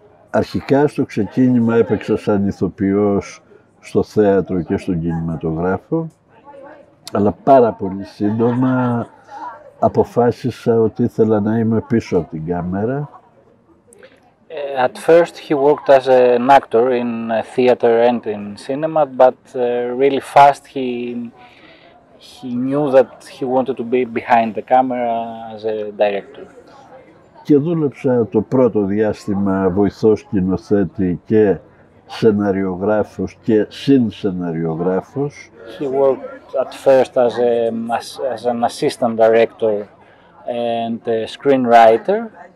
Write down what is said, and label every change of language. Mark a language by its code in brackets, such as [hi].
[el] Αρχικά στο ξεκίνημα έπαιξα σαν ηθοποιός στο θέατρο και στον κινηματογράφο, αλλά πάρα πολύ σύντομα αποφάσισα ότι ήθελα να είμαι πίσω από την κάμερα. [en] At first he worked as an actor in theater and in cinema, but really fast he knew that he wanted to be behind the camera as a director. [el] Και δούλεψα το πρώτο διάστημα βοηθός σκηνοθέτη και σεναριογράφος και συνσεναριογράφος. [en] He worked at first as an assistant director and a screenwriter.